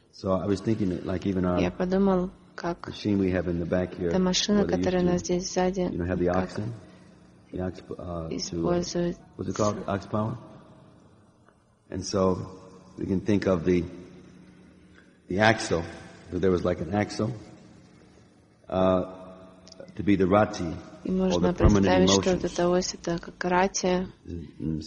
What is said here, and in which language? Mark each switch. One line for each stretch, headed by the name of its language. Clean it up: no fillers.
English: So I was thinking that like even our machine we have in the back here,
Russian: та машина, которая у нас здесь сзади, как
English: what's it called? Ox power. And so we can think of the axle, that there was like an axle, to be the rati or the permanent emotions.